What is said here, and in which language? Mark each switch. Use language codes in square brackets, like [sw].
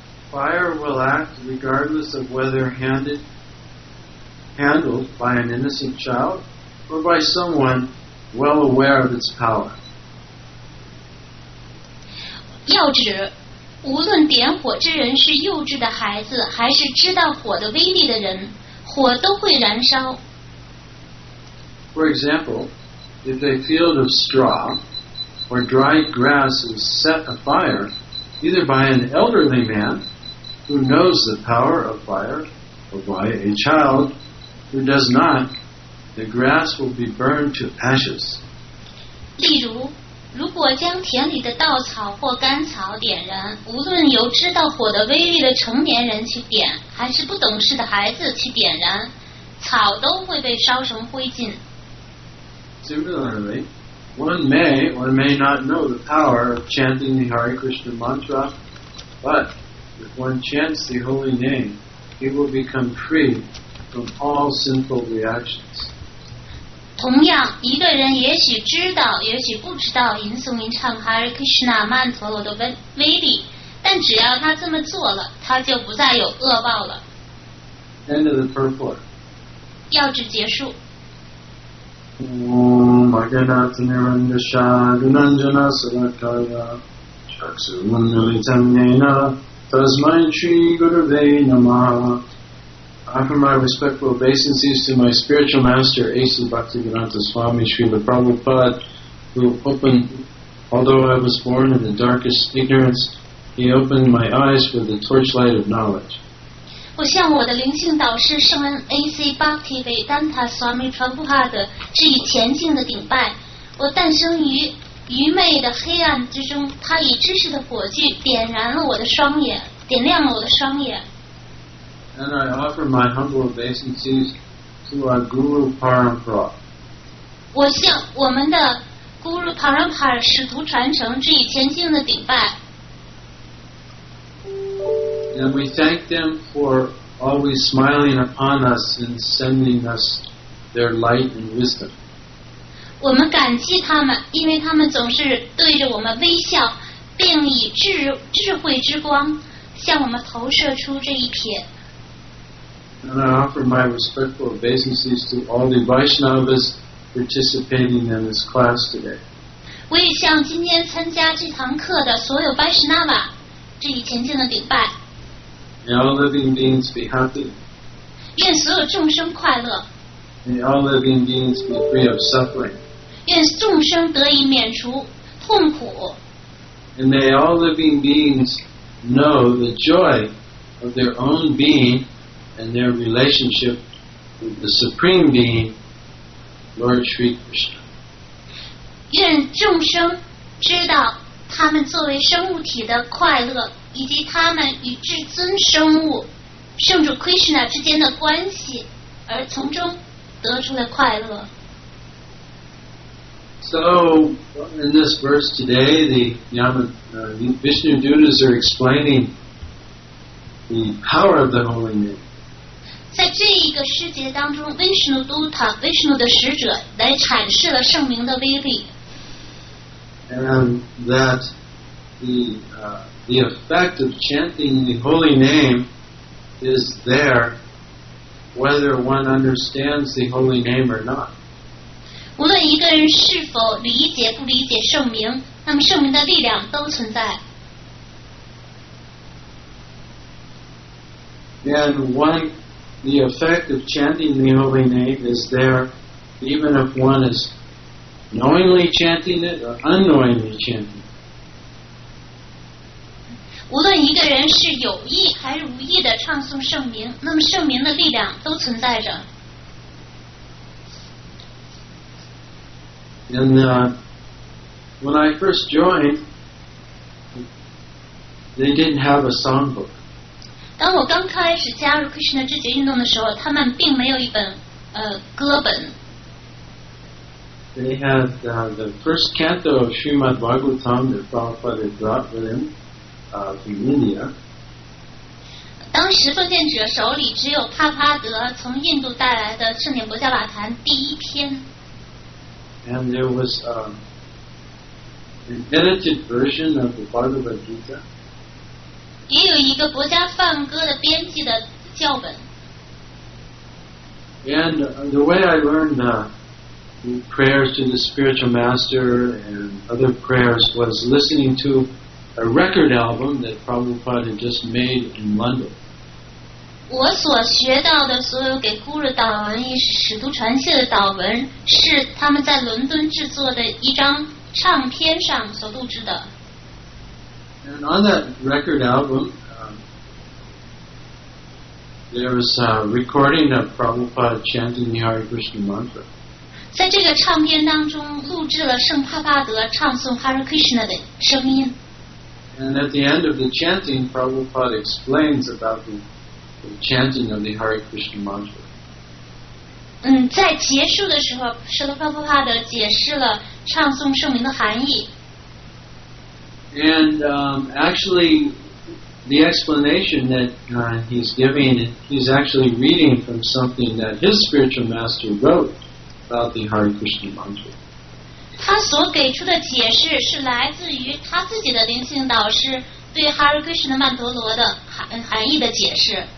[en] Fire will act regardless of whether handled by an innocent child or by someone well aware of its power. [zh] 要指，无论点火之人是幼稚的孩子还是知道火的威力的人，火都会燃烧。 [en] For example, if a field of straw or dried grass is set afire, either by an elderly man who knows the power of fire or by a child who does not, the grass will be burned to ashes. [zh] 例如，如果将田里的稻草或干草点燃，无论由知道火的威力的成年人去点，还是不懂事的孩子去点燃，草都会被烧成灰烬。 [en] Similarly, one may or may not know the power of chanting the Hare Krishna mantra, but if one chants the holy name, he will become free from all sinful reactions. [zh] 同样，一个人也许知道，也许不知道吟诵吟唱 Hare Krishna 曼陀罗的威力，但只要他这么做了，他就不再有恶报了。 [en] End of the purport. [zh] 要旨结束。 [sa] Om Agnath Nirandasha Dunanjana Sarakaya Chaksu Mundalitam Nena Tasmayan Sri Gurave Namaha. [en] Offer my respectful obeisances to my spiritual master A.C. Bhaktivedanta Swami Srila Prabhupada, who opened, although I was born in the darkest ignorance, he opened my eyes with the torchlight of knowledge. [zh] 我向我的灵性导师圣恩 A.C. Bhaktivedanta Swami Prabhupada 致以虔敬的顶拜。我诞生于愚昧的黑暗之中，他以知识的火炬点燃了我的双眼，点亮了我的双眼。 [en] And I offer my humble obeisances to our Guru Parampara. [zh] 我向我们的 Guru Parampara 使徒传承致以虔敬的顶拜。 [en] And we thank them for always smiling upon us and sending us their light and wisdom. [zh] 我们感激他们，因为他们总是对着我们微笑，并以智慧之光向我们投射出这一瞥。 [en] And I offer my respectful obeisances to all the Vaishnavas participating in this class today. [zh] 我也向今天参加这堂课的所有 Vaishnava 致以虔敬的顶拜。 [en] May all living beings be happy. [zh] 愿所有众生快乐。 [en] May all living beings be free of suffering. [zh] 愿众生得以免除痛苦。 [en] And may all living beings know the joy of their own being and their relationship with the Supreme Being, Lord Sri Krishna. [zh] 愿众生知道他们作为生物体的快乐，以及他们与至尊生物圣主 Krishna 之间的关系，而从中得出的快乐。 [en] So in this verse today, the Vishnu Dutas are explaining the power of the holy name. [zh] 在这一个诗节当中， Vishnu Duta Vishnu 的使者来阐释了圣名的威力。 [en] And that the effect of chanting the holy name is there whether one understands the holy name or not. [zh] 无论一个人是否理解不理解圣名，那么圣名的力量都存在。 [en] And one, the effect of chanting the holy name is there even if one is knowingly chanting it or unknowingly chanting. [zh] 无论一个人是有意还是无意的唱诵圣名，那么圣名的力量都存在着。 [en] And when I first joined, they didn't have a songbook. [zh] 当我刚开始加入 Krishna 知觉运动的时候，他们并没有一本歌本。 [en] They had the first canto of Srimad Bhagavatam that Prabhupada had brought with him from India. [zh] 当时奉献者手里只有帕帕德从印度带来的圣典薄伽瓦坛第一篇。 [en] And there was an edited version of the Bhagavad Gita. [zh] 也有一个薄伽梵歌的编辑的教本。 [en] And the way I learned prayers to the spiritual master and other prayers was listening to a record album that Prabhupada had just made in London. [zh] 我所学到的所有给孤儿祷文也是使徒传戏的祷文是他们在伦敦制作的一张唱片上所录制的。 [en] And on that record album there was a recording of Prabhupada chanting the Hare Krishna mantra. [zh] 在这个唱片当中录制了圣帕帕德唱诵 Hare Krishna 的声音。 [en] And at the end of the chanting Prabhupada explains about theThe chanting of the Hare Krishna mantra. [zh] 在结束的时候，舍勒帕布帕德解释了唱诵圣名的含义。 [en] And actually, the explanation that he's giving, he's actually reading from something that his spiritual master wrote about the Hare Krishna mantra. [zh] 他所给出的解释是来自于他自己的灵性导师对 Hare Krishna 曼陀罗的含义的解释。